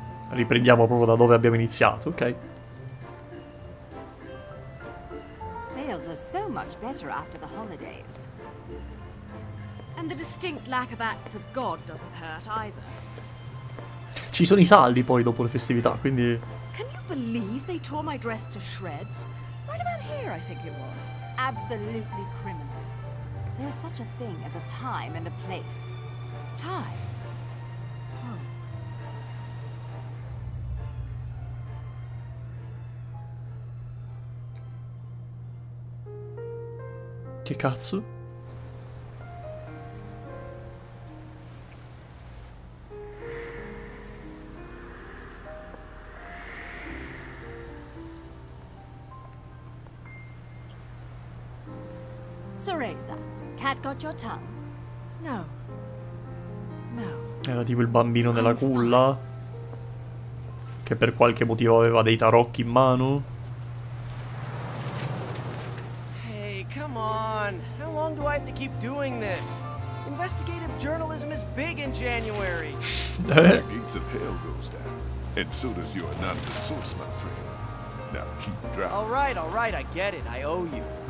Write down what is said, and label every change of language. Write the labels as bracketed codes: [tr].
[it] Riprendiamo proprio da dove abbiamo iniziato, ok. [en] Sales are so much better after the holidays. And the distinct lack of acts of God doesn't hurt either. [it] Ci sono i saldi poi dopo le festività, quindi... [en] Can you believe they tore my dress to shreds? Right about here, I think it was. Absolutely criminal. There's such a thing as a time and a place. Time? Oh. [it] Che cazzo? [en] Cereza. Cat got your tongue? No. No. [it] Era tipo il bambino nella culla che per qualche motivo aveva dei tarocchi in mano. [en] Hey, come on. How long do I have to keep doing this? Investigative journalism is big in January. Needs a pale goes down. And so does your anonymous source, my friend. Now keep driving. All right, I get it. I owe you.